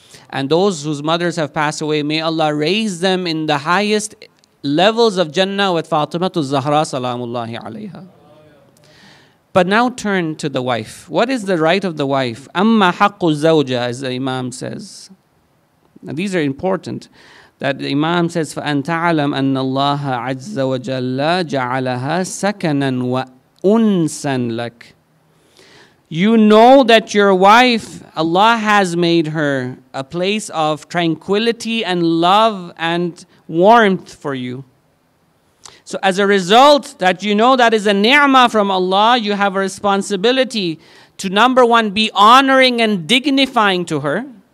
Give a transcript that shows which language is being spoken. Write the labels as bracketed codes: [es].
[en] And those whose mothers have passed away, may Allah raise them in the highest levels of Jannah with Fatima to Zahra salamullahi alayha. But now turn to the wife. What is the right of the wife? [ar] Amma haqqu zawja, [en] as the Imam says. Now these are important. That the Imam says, [ar] فَأَن تَعْلَمْ أَنَّ اللَّهَ عَزَّ وَجَلَّ جَعَلَهَا سَكَنًا وَأُنسًا لَكَ. [en] You know that your wife, Allah has made her a place of tranquility and love and warmth for you. So as a result, that you know that is a ni'mah from Allah, you have a responsibility to, number one, be honoring and dignifying to her.